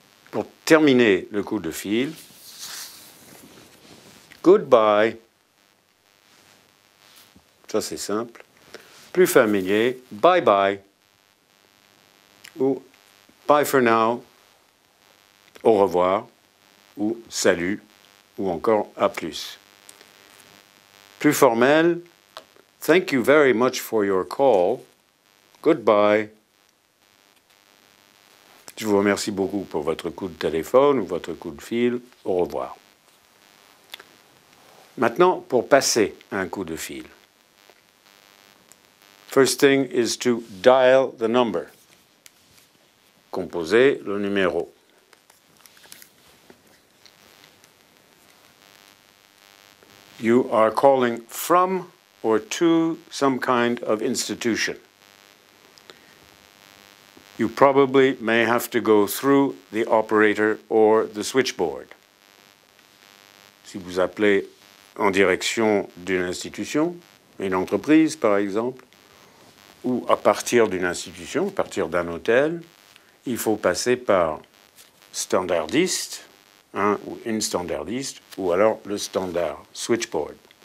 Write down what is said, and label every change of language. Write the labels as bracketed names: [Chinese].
[French] Pour terminer le coup de fil, [English] goodbye. [French] Ça, c'est simple. Plus familier, [English] bye-bye. [French] Ou... [English] Bye for now, [French] au revoir, ou salut, ou encore à plus. Plus formel, [English] thank you very much for your call, goodbye. [French] Je vous remercie beaucoup pour votre coup de téléphone ou votre coup de fil, au revoir. Maintenant, pour passer un coup de fil. [English] First thing is to dial the number. [French] Composer le numéro. [English] You are calling from or to some kind of institution. You probably may have to go through the operator or the switchboard. [French] Si vous appelez en direction d'une institution, une entreprise par exemple, ou à partir d'une institution, à partir d'un hôtel, il faut passer par standardiste, un ou une standardiste, ou alors le standard switchboard.